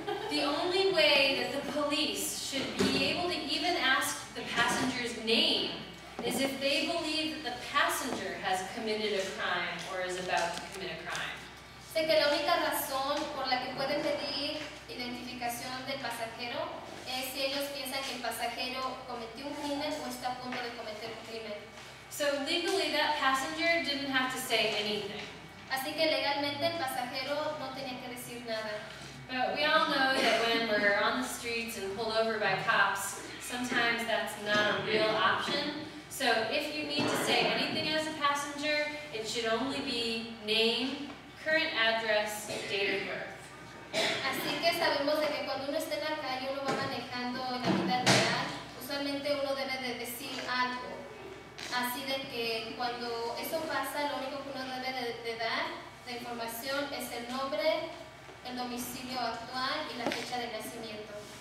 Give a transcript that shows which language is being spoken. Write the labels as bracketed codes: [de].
[en] The only way that the police should be able to even ask the passenger's name is if they believe that the passenger has committed a crime or is about to commit a crime. [es] Sé que la única razón por la que pueden pedir identificación del pasajero es si ellos piensan que el pasajero cometió un crimen o está a punto de cometer un crimen. [en] So legally, that passenger didn't have to say anything. [es] Así que legalmente el pasajero no tenía que decir nada. [en] But we all know that when we're on the streets and pulled over by cops, sometimes that's not a real option. So if you need to say anything as a passenger, it should only be name, current address, date of birth. [es] Así que sabemos de que cuando uno está en la calle, uno va manejando en la vida real, usualmente uno debe de decir algo. Así de que cuando eso pasa, lo único que uno debe de dar de información es el nombre, el domicilio actual y la fecha de nacimiento.